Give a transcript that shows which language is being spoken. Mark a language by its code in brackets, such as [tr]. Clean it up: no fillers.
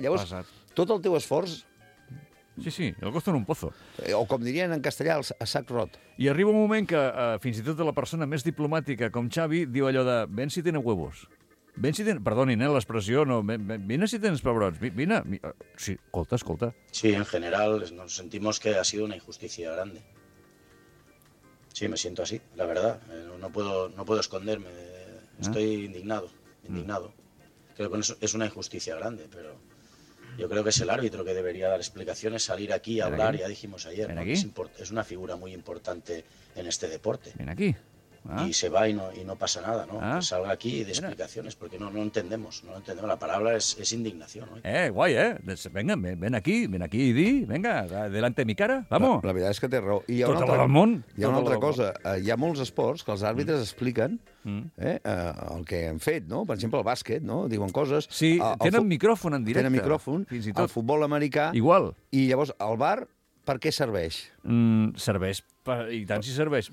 [ca] Llavors, tot el teu esforç... [es] Sí, sí, el costo en un pozo. [ca] O com dirien en castellà, a sac rot. I arriba un moment que fins i tot la persona més diplomàtica, com Xavi, diu allò de [es] «Ven si tenen huevos». [ca] Ven si tens... Perdonin, l'expressió, no... Vine si tens pebrots, vine. Sí, escolta, escolta. [es] Sí, en general nos sentimos que ha sido una injusticia grande. Sí, me siento así, la verdad. No puedo esconderme. Estoy indignado. Creo que es una injusticia grande, pero... Yo creo que es el árbitro que debería dar explicaciones, salir aquí a hablar, aquí. Ya dijimos ayer. ¿No? Es una figura muy importante en este deporte. Ven aquí. Ah. Y se va y no pasa nada, ¿no? Ah. Que salga aquí y de explicaciones, porque no entendemos. La palabra es indignación, ¿no? Guay, ¿eh? Venga, ven aquí y di, venga, delante de mi cara, vamos. [ca] La verdad es que té raó. I tot altra, el món. Hi ha una altra cosa. Hi ha molts esports que els àrbitres expliquen el que han fet, no? Per exemple, el bàsquet, no? Diuen coses... Sí, tenen micròfon en directe. Tenen micròfon. Fins i tot. El futbol americà. Igual. I llavors, el VAR, per què serveix? Serveix, i tant si serveix.